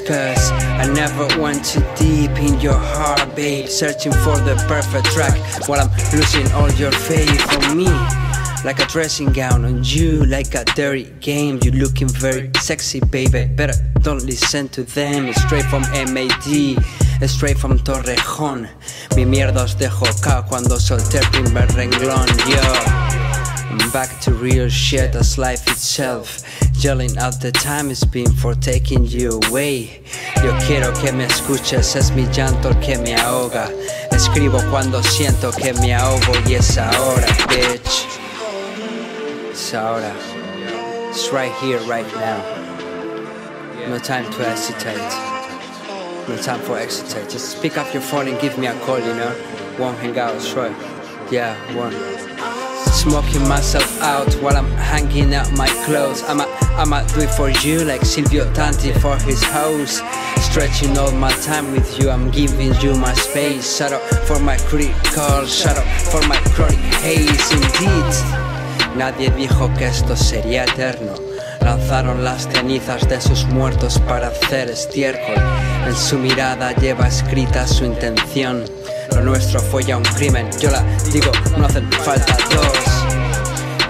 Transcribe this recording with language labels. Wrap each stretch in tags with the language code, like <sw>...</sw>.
<en>Cause I never went too deep in your heart, babe. Searching for the perfect track while I'm losing all your faith on me. Like a dressing gown on you, like a dirty game. You looking very sexy, baby. Better don't listen to them. Straight from MAD, straight from Torrejón.</en> <es>Mi mierda os dejo acá cuando solté el primer renglón, yo.</es> <en>Back to real shit as life itself. Yelling out the time it's been for taking you away.</en> <es>Yo quiero que me escuches, es mi llanto el que me ahoga. Escribo cuando siento que me ahogo y es ahora, bitch.</es> <en>It's ahora. It's right here, right now. No time to hesitate. No time for hesitate. Just pick up your phone and give me a call, you know. One hangout, sure. Yeah, one. Smoking myself out while I'm hanging out my clothes. I'ma do it for you like Silvio Tanti for his house. Stretching all my time with you, I'm giving you my space. Shout out for my critical, shout out for my chronic haze. Indeed,</en> <es>nadie dijo que esto sería eterno. Lanzaron las cenizas de sus muertos para hacer estiércol. En su mirada lleva escrita su intención. Lo nuestro fue ya un crimen, yo la digo, no hacen falta dos.</es>